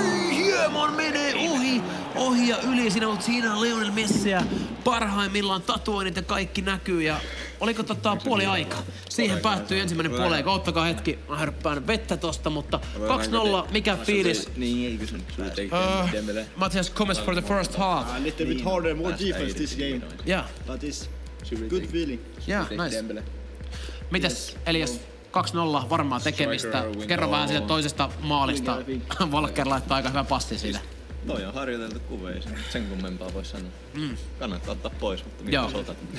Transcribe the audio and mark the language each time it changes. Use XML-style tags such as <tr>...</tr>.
<fi>Hieman menee ohi ja yli. Siinä on siinä Lionel Messiä parhaimmillaan tatuoinnit ja kaikki näkyy. Ja oliko puoli aika? Siihen päättyy ensimmäinen puoli aika. Ottakaa hetki, mä hörppään vettä tosta, mutta 2-0, mikä fiilis? Niin, ei kysynyt.</fi> <en>Mathias Gomez for the first half. A little bit harder, more defense this game. Yeah. But it's good feeling. Yeah, nice.</en> <fi>Mitäs, Elias, 2-0 varmaa tekemistä. Kerro vähän siitä toisesta maalista. Walker laittaa aika hyvä passi siitä. Toi on harjoiteltu kuva, ei sen kummempaa voi sanoa. Kannattaa ottaa pois, mutta mitä sulta?</fi>